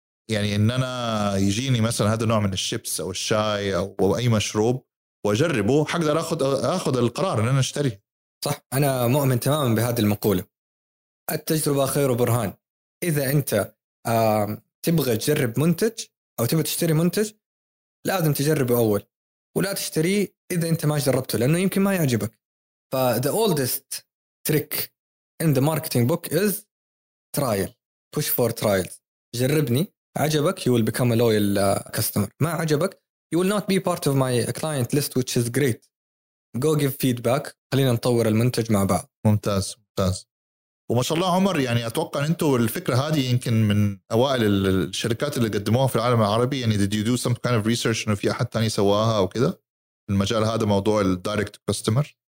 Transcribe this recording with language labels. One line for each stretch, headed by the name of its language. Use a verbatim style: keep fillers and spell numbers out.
Arabic: يعني إن أنا يجيني مثلا هذا النوع من الشيبس أو الشاي أو أي مشروب وأجربه حقدر أخذ أخذ القرار إن أنا أشتري. صح. أنا مؤمن تماما بهذه المقولة، التجربة خير برهان. إذا أنت تبغى تجرب منتج أو تبغى تشتري منتج لازم تجربه أول، ولا تشتريه إذا أنت ما جربته لأنه يمكن ما يعجبك.
English: ف the oldest trick in the marketing book is trial, push for trials.
Arabic: جربني، عجبك
English: you will become a loyal uh, customer.
Arabic: ما عجبك
English: you will not be part of my client list which is great. Go give feedback.
Arabic: خلينا نطور المنتج مع بعض. ممتاز ممتاز. وما شاء الله عمر، يعني أتوقع أن أنتوا الفكرة هذه يمكن من أوائل الشركات اللي قدموها في العالم العربي. يعني
English: did you do some kind of research
Arabic: إنه في أحد تاني سواها أو كده المجال هذا، موضوع ال direct customer؟